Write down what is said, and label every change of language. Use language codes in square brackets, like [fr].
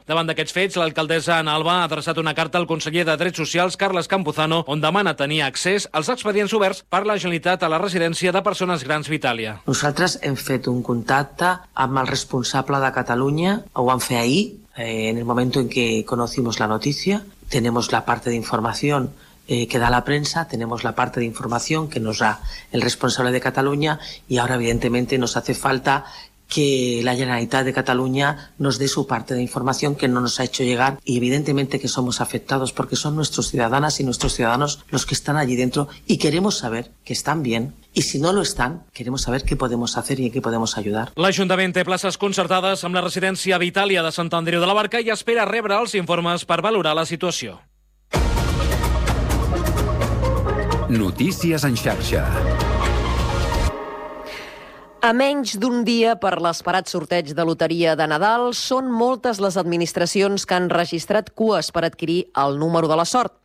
[ca] Davant d'aquests fets, l'alcaldessa Ana Alba ha adreçat una carta al conseller de Drets Socials, Carles Campuzano, on demana tenir accés als expedients oberts per la Generalitat a la residència de persones grans Vitalia. Nosaltres hem fet un contacte amb el responsable de Catalunya, ho vam fer ahir, en el moment en què [es] conocimos [ca] la notícia. [es] Tenemos la parte de información que da la prensa, tenemos la parte de información que nos da el responsable de Cataluña y ahora evidentemente nos hace falta que la Generalitat de Cataluña nos dé su parte de información que no nos ha hecho llegar y evidentemente que somos afectados porque son nuestras ciudadanas y nuestros ciudadanos los que están allí dentro y queremos saber que están bien. I si no lo están, queremos saber qué podemos hacer y en qué podemos ayudar. [ca] L'Ajuntament té places concertades amb la residència Vitalia de Sant Andreu de la Barca i espera rebre els informes per valorar la situació. Notícies en xarxa. A menys d'un dia per l'esperat sorteig de loteria de Nadal, són moltes les administracions que han registrat cues per adquirir el número de la sort.